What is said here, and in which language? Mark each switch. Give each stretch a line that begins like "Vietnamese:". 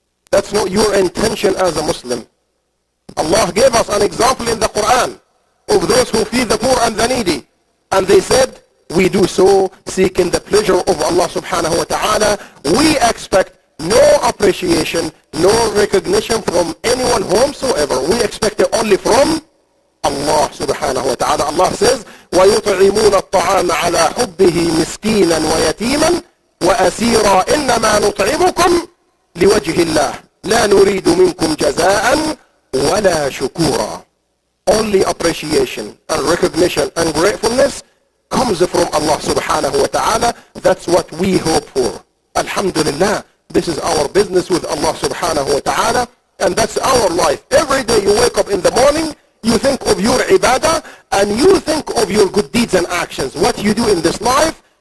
English: That's not your intention as a Muslim. Allah gave us an example in the Quran of those who feed the poor and the needy. And they said, we do so seeking the pleasure of Allah subhanahu wa ta'ala. We expect no appreciation, no recognition from anyone whomsoever. We expect it only from Allah subhanahu wa ta'ala. Allah says,
Arabic: وَيُطْعِمُونَ الطَّعَامَ عَلَىٰ حُبِّهِ مِسْكِينًا وَيَتِيمًا وَأَسِيرًا إِنَّمَا نُطْعِمُكُمْ لِوَجْهِ اللَّهِ لَا نُرِيدُ مِنْكُمْ جَزَاءً وَلَا شُكُورًا.
English: Only appreciation and recognition and gratefulness comes from Allah subhanahu wa ta'ala. That's what we hope for. Alhamdulillah, this is our business with Allah subhanahu wa ta'ala. And that's our life. Every day you wake up in the morning, you think of your ibadah and you think of your good deeds and actions, what you do in this life.